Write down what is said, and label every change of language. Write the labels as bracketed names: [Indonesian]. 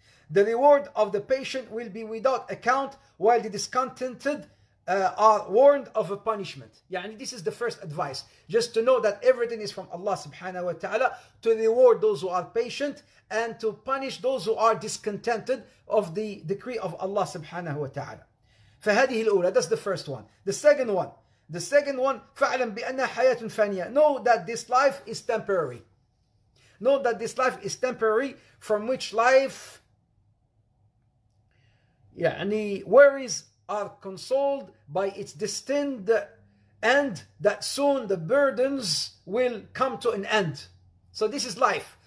[English] The reward of the patient will be without account, while the discontented are warned of a punishment. Yani, this is the first advice. Just to know that everything is from Allah subhanahu wa ta'ala, to reward those who are patient and to punish those who are discontented of the decree of Allah subhanahu wa ta'ala. [Arabic] فَهَذِهِ الْأُولَى. [English] That's the first one. The second one, [Arabic] فَعْلَمْ بِأَنَّ حَيَاتٌ فَانِيَةٌ. [English] Know that this life is temporary. Know that this life is temporary, from which life, يعني, worries are consoled by its destined end, that soon the burdens will come to an end. So this is life.